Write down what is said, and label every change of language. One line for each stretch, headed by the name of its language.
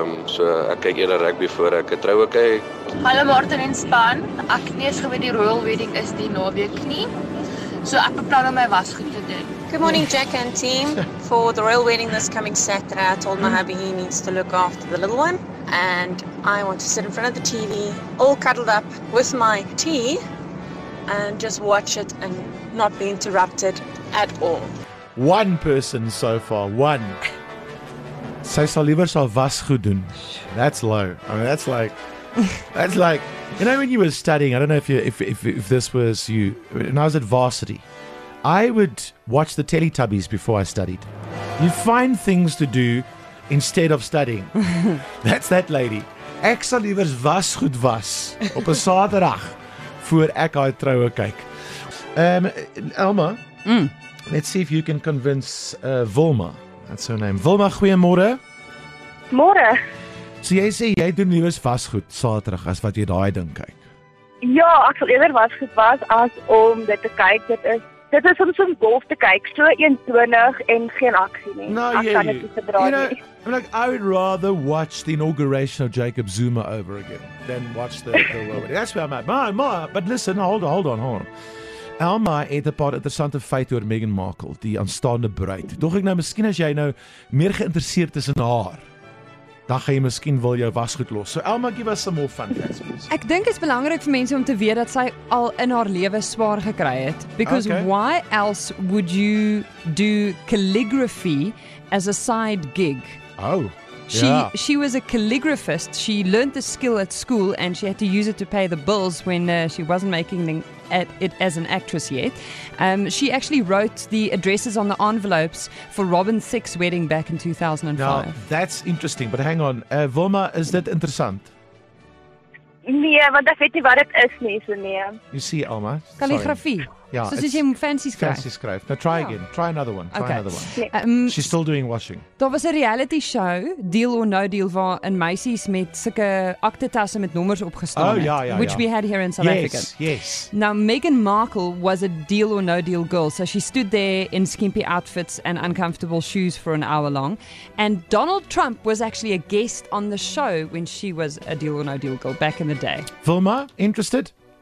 Afrikaans: So ek kyk eerder rugby voor ek 'n troue kyk. Hallo Martin en span. Ek nie eens geweet die royal wedding is die naweek nie. So ek beplan om my wasgoed te doen.
English: Good morning, Jack and team. For the royal wedding this coming Saturday, I told my hubby he needs to look after the little one. And I want to sit in front of the TV, all cuddled up with my tea, and just watch it and not be interrupted at all. One person so far, one.
Afrikaans: Sy sal liever sal wasgoed doen.
English: That's low. I mean, that's like, you know, when you were studying, I don't know if this was you, when I was at varsity. I would watch the Teletubbies before I studied. You find things to do instead of studying. That's that lady.
Afrikaans: Ek sal liewers was goed was op 'n Saterdag voor ek haar troue kyk.
English: Elma, let's see if you can convince Wilma. That's her name. Wilma, goeiemôre.
Afrikaans: Môre. So jy sê jy doen liewers was goed Saterdag as wat jy daai ding kyk. Ja, ek sal eerder was goed was as om dit te kyk. Dit is soms om golf te kyk, so eentonig en geen aksie nie.
English: No,
Afrikaans: ek kan dit nie verdra nie.
English: I'm like, I would rather watch the inauguration of Jacob Zuma over again than watch the robot. That's where I'm at. But listen, hold on.
Afrikaans: Alma het 'n paar interessante feite oor Meghan Markle, die aanstaande bruid. Dog ek nou, miskien as jy nou meer geïnteresseerd is in haar, dan gaan jy miskien wil jou wasgoed los.
English: So Alma, give us some more fun facts.
Afrikaans: Ek dink dit is belangrik vir mense om te weet dat sy al in haar lewe swaar gekry het.
English: Because why else would you do calligraphy as a side gig? Oh, She was a calligraphist. She learned the skill at school and she had to use it to pay the bills when she wasn't making it as an actress yet. She actually wrote the addresses on the envelopes for Robin Thicke's wedding back in 2005. Now, that's interesting, but hang on. Wilma, is that interessant?
Afrikaans: Nee, want ek weet nie wat dit is nie, so nee.
English: You see, Alma? Calligraphy.
Afrikaans: Ja, so soos jy fancy skryf. Fancy skryf.
English: Now try again. Try another one. Okay. Another one. Yeah. She's still doing washing.
Afrikaans: Daar was 'n reality show, Deal or No Deal, waar 'n meisies met sulke aktetasse met nommers opgestaan het. Oh, ja.
English: Which we had here in South Africa. Yes. Now, Meghan Markle was a Deal or No Deal girl, so she stood there in skimpy outfits and uncomfortable shoes for an hour long. And Donald Trump was actually a guest on the show when she was a Deal or No Deal girl back in the day. Wilma, interested?